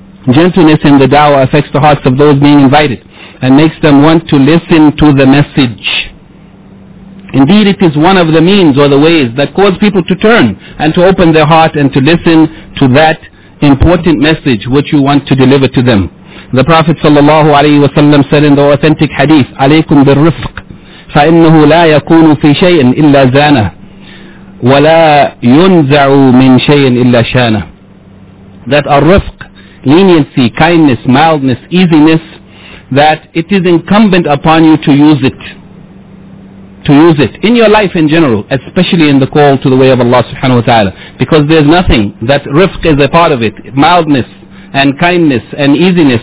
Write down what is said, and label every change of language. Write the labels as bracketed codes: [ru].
[en] Gentleness in the dawah affects the hearts of those being invited and makes them want to listen to the message. Indeed, it is one of the means or the ways that cause people to turn and to open their heart and to listen to that important message which you want to deliver to them. The Prophet sallallahu alaihi wasallam said in the authentic hadith, [ar] عليكم بالرفق فإنه لا يكون في شيء إلا زانه وَلَا يُنْزَعُ مِنْ شَيْءٍ إِلَّا شَانَ. [en] That ar-rifq, leniency, kindness, mildness, easiness, that it is incumbent upon you to use it. To use it in your life in general, especially in the call to the way of Allah subhanahu wa ta'ala. Because there's nothing that rifq is a part of it. Mildness and kindness and easiness.